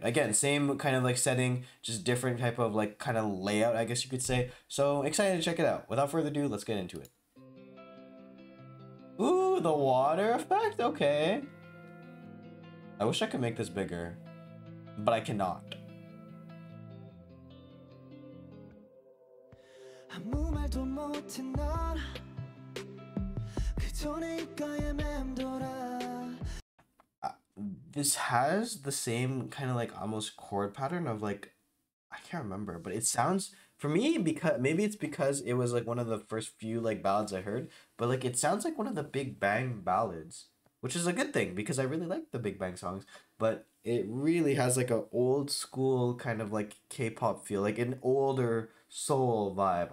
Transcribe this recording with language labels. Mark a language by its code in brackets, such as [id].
[en] Again, same kind of like setting, just different type of like kind of layout, I guess you could say. So excited to check it out. Without further ado, let's get into it. Ooh, the water effect? Okay. I wish I could make this bigger, but I cannot. [ko] 아무 말도 못해 넌 그저 내 입가에 맴돌아. [en] This has the same kind of like almost chord pattern of like, I can't remember, but it sounds for me, because maybe it's because it was like one of the first few like ballads I heard, but like it sounds like one of the Big Bang ballads, which is a good thing because I really like the Big Bang songs, but it really has like an old school kind of like K-pop feel, like an older soul vibe.